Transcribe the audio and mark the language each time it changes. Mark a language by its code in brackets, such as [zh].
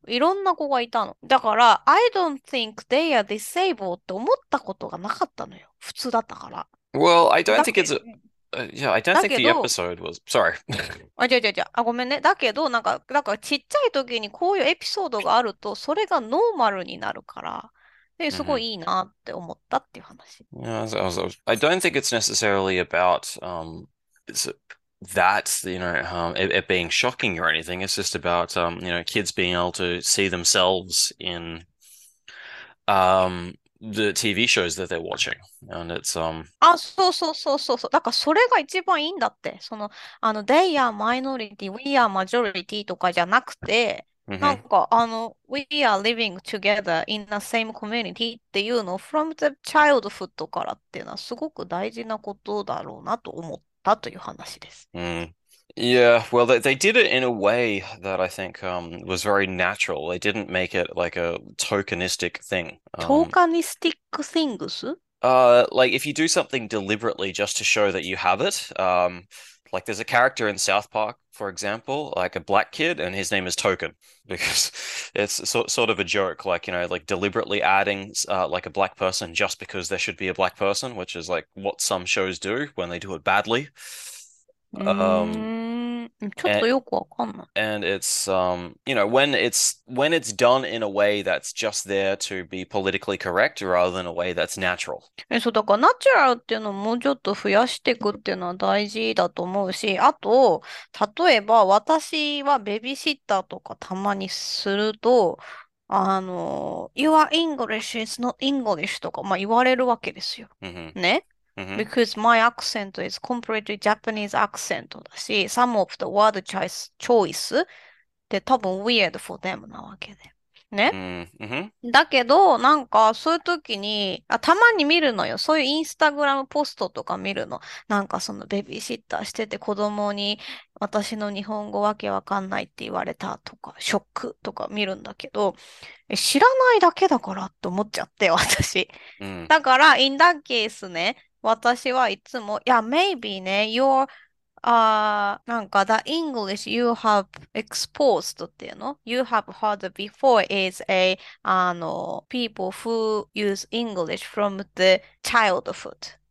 [ja] いろんな子がいたの。だから、 [en] I don't think they are disabled [ja] って思ったことがなかったのよ。普通だったから。 [en] Well, I don't think it's a. I don't [ja] だ [en] think [ja] け [en] the [ja] ど、 [en] episode was. Sorry. [ja] あ、違う違う違う。あ、ごめんね。だけど、なんか、だからちっちゃい時にこういうエピソードがあると、それがノーマルになるから、すごいいいなって思ったっていう話。 [en] I don't think it's necessarily about that it being shocking or anything. It's just about kids being able to see themselves in the TV shows that they're watching, and it's [ja] あ、そうそうそうそうそう。だからそれが一番いいんだって。その、 [en] they are minority, we are majority [ja] とかじゃなくて、なんか、 [en] we are living together in the same community [ja] っていうのを [en] from the childhood [ja] からっていうのはすごく大事なことだろうなと思ったという話です。 [en] Well, they did it in a way that I think was very natural. They didn't make it like a tokenistic thing. [ja] トーカニスティックシングス？ [en] Like if you do something deliberately just to show that you have it, like there's a character in South Park, for example, like a black kid, and his name is Token, because it's sort of a joke, like, you know, like deliberately adding like a black person just because there should be a black person, which is like what some shows do when they do it badly. [ja] ちょっとよくわかんない。 [en] And it's you know, when it's done in a way that's just there to be politically correct rather than a way that's natural. [ja] そう、だからナチュラルっていうのをもうちょっと増やしていくっていうのは大事だと思うし、あと、例えば私はベビーシッターとかたまにすると、 [en] You are English, it's not English [ja] とか、まあ、言われるわけですよ。ね。 [en] Because my accent is completely Japanese accent [ja] だし、 [en] some of the word choice [ja] って多分 [en] weird for them [ja] なわけで。ね。だけど、なんか、そういう時に、たまに見るのよ。そういうインスタグラムポストとか見るの。なんか、そのベビーシッターしてて子供に、私の日本語わけわかんないって言われたとか、ショックとか見るんだけど、知らないだけだからって思っちゃって、私。だから、 [en] in that case [ja] ね、私はいつも、いや、 [en] maybe ね、you're, なんか、the English you have exposed [ja] っていうの [en] ?you have heard before is a, people who use English from the childhood.